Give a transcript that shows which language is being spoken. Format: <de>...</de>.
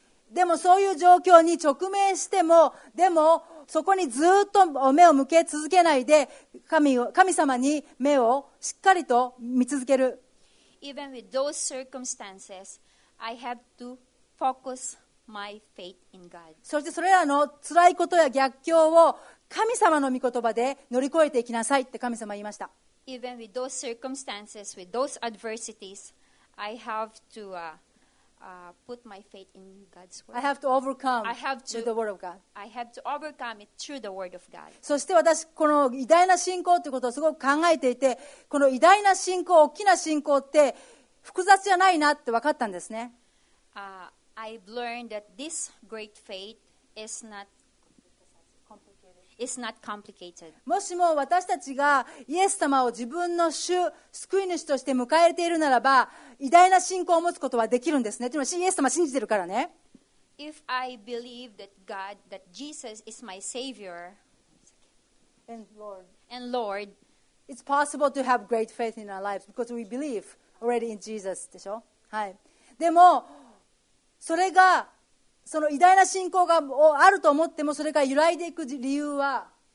<ja>でもそういう状況に直面しても、でもそこにずっと目を向け続けないで、神様に目をしっかりと見続ける。</ja> <en>Even with those circumstances, I have to focus my faith in God.</en> <ja>そしてそれらの辛いことや逆境を神様の御言葉で乗り越えていきなさいって神様は言いました。</ja> <en>Even with those circumstances, with those adversities, I have to put my faith in God's word. I have to overcome through the word of God. I have to overcome it through the word of God.</en> <ja>そして私、この偉大な信仰ということをすごく考えていて、この偉大な信仰、大きな信仰って複雑じゃないなって分かったんですね。</ja> <en>I've learned that this great faith is notIt's not complicated.</en> <ja>もしも私たちがイエス様を自分の主救い主として迎えているならば、偉大な信仰を持つことはできるんですね。というのはイエス様を信じているからね。</ja> <en>If I believe that God, that Jesus is my Savior and Lord, it's possible to have great faith in our lives because we believe already in Jesus.</en> <ja>でしょ、はい、でもそれがその偉大な信仰をあると思っても、それが揺らいでいく理由は、</ja>